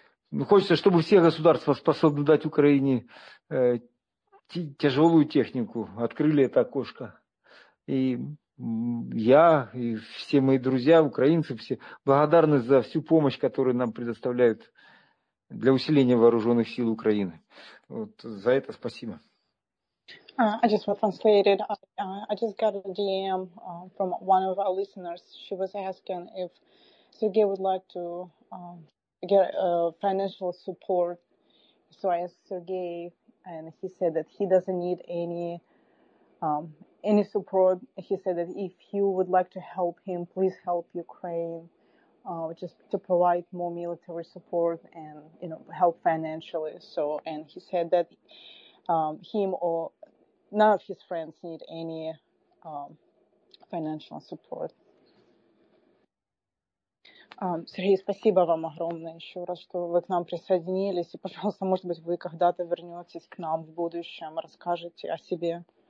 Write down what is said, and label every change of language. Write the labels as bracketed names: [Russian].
[Russian] Ну, хочется, чтобы все государства способны дать Украине тяжелую технику, открыли это окошко. И я, и все мои друзья, украинцы, все благодарны за всю помощь, которую нам предоставляют для усиления вооруженных сил Украины. Вот за это спасибо. [English] I just translated. I just got a DM from one of our listeners. She was asking if Sergei would like to get financial support. So I asked Sergei, and he said that he doesn't need any support. He said that if you would like to help him, please help Ukraine, just to provide more military support and, you know, help financially. So, and he said that him or none of his friends need any financial support. [Russian] Сергей, спасибо вам огромное еще раз, что вы к нам присоединились. И, пожалуйста, может быть, вы когда-то вернетесь к нам в будущем, расскажете о себе.